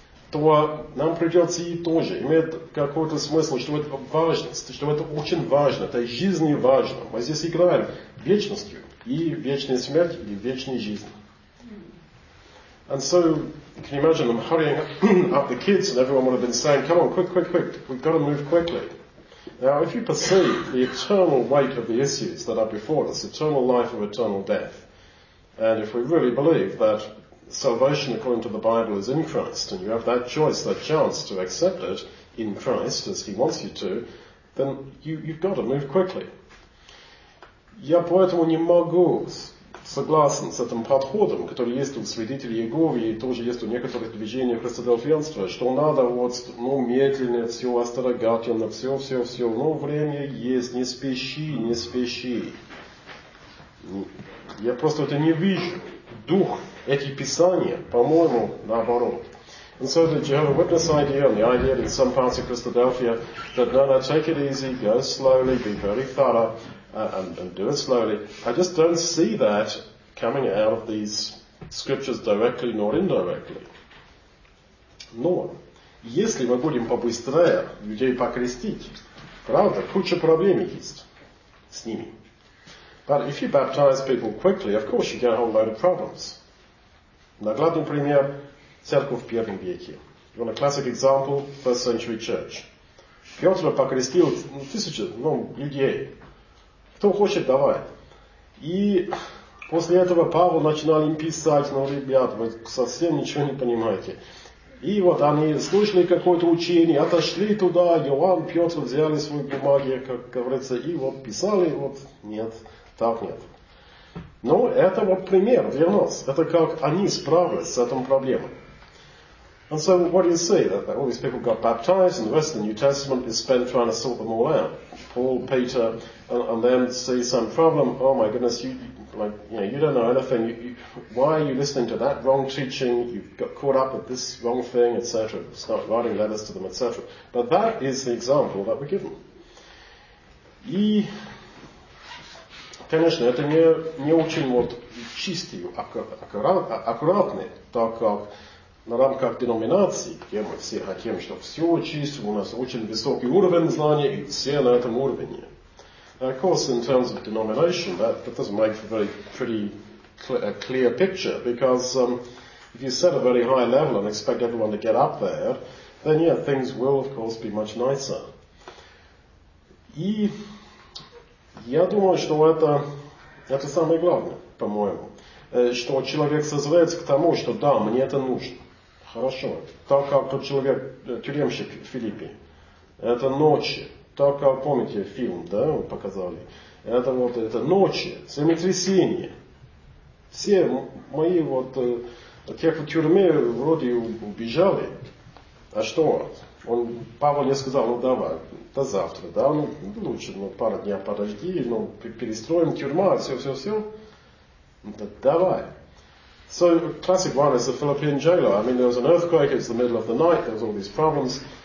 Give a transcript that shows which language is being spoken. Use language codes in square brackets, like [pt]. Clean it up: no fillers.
[ru] То нам придется и тоже иметь какой-то смысл, что это важность, что это очень важно, это жизненно важно. Мы здесь играем вечностью и вечной смертью, и вечной жизнью. [en] And so, you can imagine them hurrying up the kids, and everyone would have been saying, come on, quick, we've got to move quickly. Now, if you perceive the eternal weight of the issues that are before us, eternal life or eternal death, and if we really believe that salvation according to the Bible is in Christ, and you have that choice, that chance to accept it in Christ as he wants you to, then you've got to move quickly. [ru] Я поэтому не могу согласен с этим подходом, который есть у свидетелей Иеговы и тоже есть у некоторых движений христоделфианства, что надо вот, ну, медленно, все осторожно, все, но время есть, не спеши. Я просто это не вижу. Дух, эти писания, по-моему, наоборот. [en] And so the Jehovah's Witness idea and the idea in some parts of Christadelphia that no, take it easy, go slowly, be very thorough, and do it slowly. I just don't see that coming out of these scriptures directly nor indirectly. [ru] Но если мы будем побыстрее людей покрестить, правда, куча проблем есть с ними. [en] But if you baptize people quickly, of course you get a whole load of problems. [ru] Наглядный пример – церковь в первом веке. [en] You want a classic example? First century church. [ru] Петр покрестил тысячи, ну, людей. Кто хочет, давай. И после этого Павел начинал им писать, ну, ребят, вы совсем ничего не понимаете. И вот они слышали какое-то учение, отошли туда, Иоанн, Петр взяли свои бумаги, как говорится, и вот писали, вот нет, так нет. Ну, это вот пример для нас. Это как они справились с этой проблемой. [en] And so what do you see? That all these people got baptized, and the rest of the New Testament is spent trying to sort them all out. Paul, Peter, and then see some problem. Oh my goodness, you don't know anything. Why are you listening to that wrong teaching? You've got caught up with this wrong thing, etc. Start writing letters to them, etc. But that is the example that we're given. [ru] И, конечно, это не очень вот чистый, аккуратный, так как на рамках деноминации, где мы все хотим, чтобы все чистим, у нас очень высокий уровень знания, и все на этом уровне. [en] Of course, in terms of denomination, that doesn't make for a very pretty clear picture, because if you set a very high level and expect everyone to get up there, then yeah, things will, of course, be much nicer. [ru] И я думаю, что это самое главное, по-моему, что человек созреется к тому, что да, мне это нужно. Хорошо. Так как тот человек, тюремщик в Филиппе, это ночи. Так как, помните, фильм, да, вы показали. Это вот, это ночи, землетрясение. Все мои вот, те, кто в тюрьме, вроде убежали. А что? Он, Павел мне сказал, ну давай, до завтра, да, ну лучше, ну пару дней подожди, ну перестроим тюрьма, все. Да давай. [en] So, a classic one is the Philippine jailer. I mean, there was an earthquake, it was the middle of the night, there was all these problems.